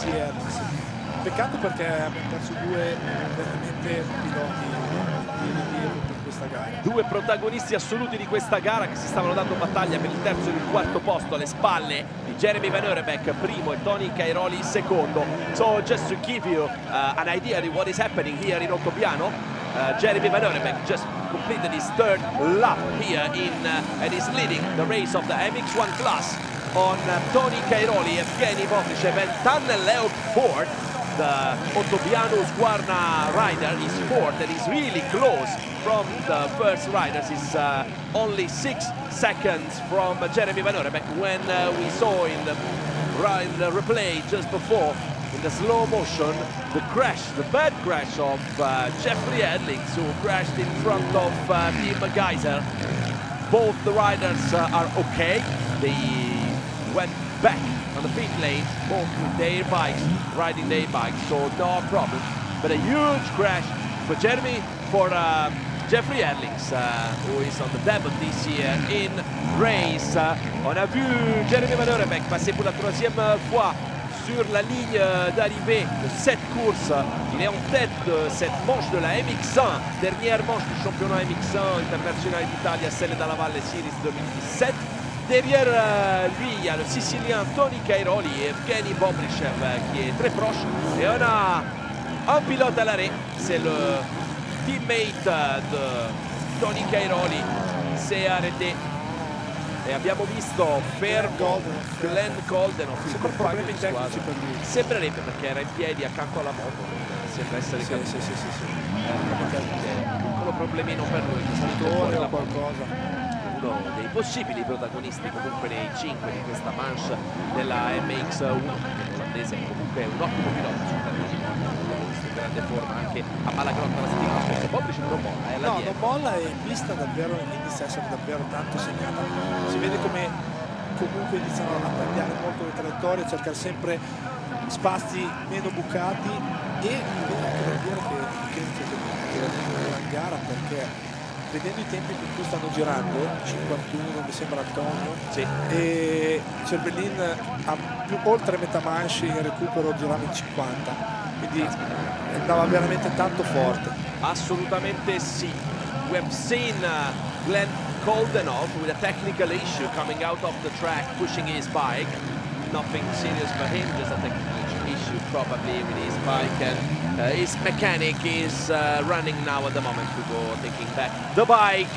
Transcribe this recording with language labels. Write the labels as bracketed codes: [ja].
[it] Sì. Peccato, perché abbiamo perso due veramente piloti di questa gara. Due protagonisti assoluti di questa gara che si stavano dando battaglia per il terzo e il quarto posto alle spalle di Jeremy Van Eurenberg primo e Tony Cairoli secondo. [en] So just to give you an idea of what is happening here in Ottobiano, Jeremy Van Eurenberg just completed his third lap here in and is leading the race of the MX1 class on Tony Cairoli, Evgeny Bobrišev and Tanner Leo Ford. The Ottobiano Squarna rider is fourth and is really close from the first riders. He's only 6 seconds from Jeremy Van Eurenberg. When we saw in the replay just before, in the slow motion, the crash, the bad crash of Jeffrey Edlings, who crashed in front of Tim Geyser. Both the riders are okay. They went back on the pit lane, both with their bikes, riding their bikes, so no problem. But a huge crash for Jeremy, for Jeffrey Edlings, who is on the debut this year in race. [fr] On a vu Jeremy Van Eurenberg passer pour la troisième fois sur la ligne d'arrivée de cette course. Il est en tête de cette manche de la MX1, dernière manche du championnat MX1 international d'Italia, celle de la Valle Series 2017. Derrière lui, il y a le Sicilien Tony Cairoli et Evgeny Bobrišev qui est très proche. Et on a un pilote à l'arrêt, c'est le teammate de Tony Cairoli, s'est arrêté. [it] E abbiamo visto fermo Glenn Koldenhoff, il compagno di squadra. Per lui. Sembrerebbe, perché era in piedi accanto alla moto. Sembra essere sì, caduto. Sì. Piccolo problemino per lui. Storia o qualcosa. Uno dei possibili protagonisti comunque nei cinque di questa manche della MX1. L'olandese è comunque un ottimo pilota. In grande forma anche a Malagrotta la settimana scorsa. Bobrišev non molla, no, non molla e pista davvero inizia a essere davvero tanto segnata. Si vede come comunque iniziano a tagliare molto le traiettorie, a cercare sempre spazi meno bucati. E per dire che la gara, perché vedendo i tempi con cui stanno girando, 51 mi sembra Antonio, sì, e Cervellin ha più oltre metà manche in recupero girando in 50. Quindi andava veramente tanto forte. Assolutamente sì. [en] We have seen Glenn Koldenhoff with a technical issue coming out of the track pushing his bike. Nothing serious for him, just a technical issue probably with his bike. And his mechanic is running now at the moment to go taking back the bike.